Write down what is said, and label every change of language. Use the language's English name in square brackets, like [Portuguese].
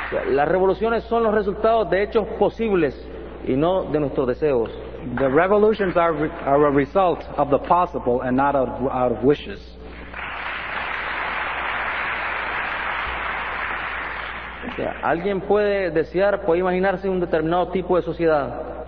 [Spanish] Las revoluciones son los resultados de hechos posibles y no de nuestros deseos. [English] The revolutions are a result of the possible and not out of wishes. [Spanish] Alguien puede desear, puede imaginarse un determinado tipo de sociedad.